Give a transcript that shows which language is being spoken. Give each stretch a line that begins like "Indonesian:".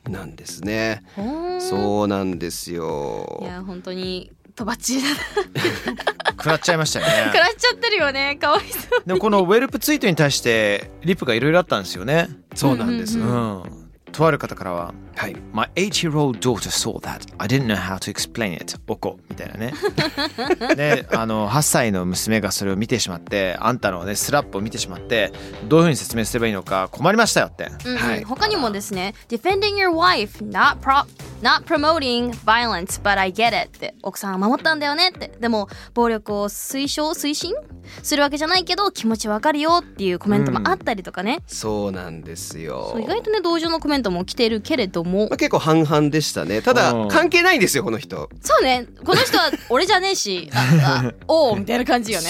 Japanese: なんですね、そうなんですよ。いや本当にとばっちりだな、食らっちゃいましたね、食らっちゃってるよね、かわいそうに。でもこの Welp ツイートに対してリプがいろいろあったんですよね。そうなんです、うんうんうんうん、とある方からは、はい、
English: My 8-year-old daughter saw that. I didn't know how to explain it.
Japanese: おこみたいなね。で、8歳の娘がそれを見てしまって、あんたのね、スラップを見てしまって、どういうふうに説明すればいいのか困りましたよって。うんうん、はい、他にもですね、
English: Defending your wife, not promoting violence, but I get it.
Japanese: って、奥さんは守ったんだよねって。でも、暴力を推進するわけじゃないけど、気持ちわかるよっていうコメントもあったりとかね。うん、そうなんですよ。意外とね、同情のコメントも来てるけれども、まあ、結構半々でしたね。ただ関係ないんですよこの人。そうね、この人は俺じゃねえし、おおみたいな感じよね。